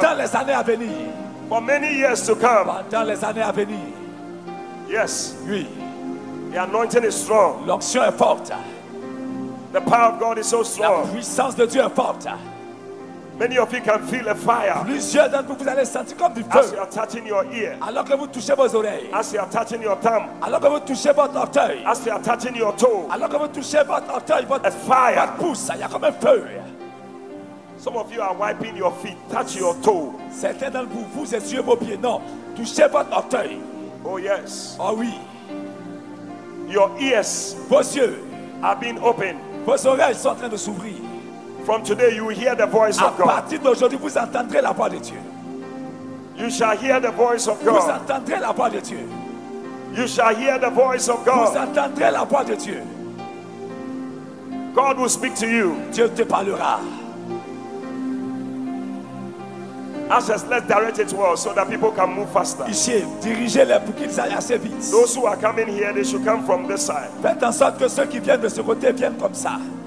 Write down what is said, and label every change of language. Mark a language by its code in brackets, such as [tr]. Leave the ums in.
[fr] Pendant les années à venir. [en] For many years to come. [fr] Pendant les années à venir. [en] Yes. Oui. The anointing is strong. [fr] L'onction est forte. [en] The power of God is so strong. [fr] La puissance de Dieu est forte. [en] Many of you can feel a fire. [fr] Plusieurs d'entre vous, vous allez sentir comme du feu. [en] As you are touching your ear. [fr] Alors que vous touchez vos oreilles. [en] As you are touching your thumb. [fr] Alors que vous touchez votre orteil. [en] As you are touching your toe. [fr] Alors que vous touchez votre orteil, votre [en] a fire. [fr] Votre pouce, il y a comme un feu. [en] Some of you are wiping your feet. Touch your toe. [fr] Certains d'entre vous, vous essuyez vos pieds. Non, touchez votre orteil. [en] Oh yes. [fr] Ah oh, oui. [en] Your ears. [fr] Vos yeux. [en] Have been opened. [fr] Vos oreilles sont en train de s'ouvrir. [en] From today, you will hear the voice à of God. [fr] À partir d'aujourd'hui, vous entendrez la voix de Dieu. [en] You shall hear the voice of vous God. [fr] Vous entendrez la voix de Dieu. [en] You shall hear the voice of God. [fr] Vous entendrez la voix de Dieu. [en] God will speak to you. [fr] Dieu te parlera. [en] Ashes, let's direct it to us so that people can move faster. [fr] Ici, dirigez-les pour qu'ils aillent assez vite. [en] Those who are coming here, they should come from this side. [fr] Faites en sorte que ceux qui viennent de ce côté viennent comme ça.